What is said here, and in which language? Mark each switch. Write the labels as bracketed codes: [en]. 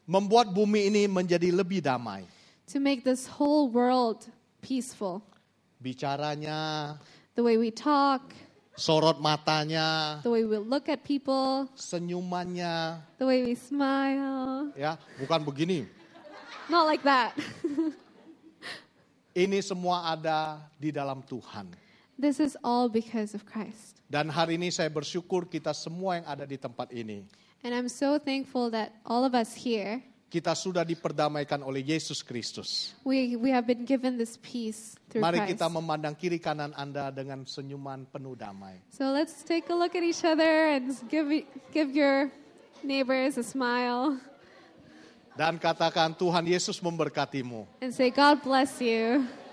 [id] Membuat bumi ini menjadi lebih damai. [en] To make this whole world peaceful. [id] Bicaranya. [en] The way we talk. [id] Sorot matanya. [en] The way we look at people. [id] Senyumannya. [en] The way we smile. [id] Ya, bukan begini. [en] Not like that. [id] Ini semua ada di dalam Tuhan. [en] This is all because of Christ. [id] Dan hari ini saya bersyukur kita semua yang ada di tempat ini. [en] And I'm so thankful that all of us here. [id] Kita sudah diperdamaikan oleh Yesus Kristus. [en] We have been given this peace through Christ. [id] Mari kita memandang kiri kanan Anda dengan senyuman penuh damai. [en] So let's take a look at each other and give your neighbors a smile. [id] Dan katakan Tuhan Yesus memberkatimu. [en] And say God bless you.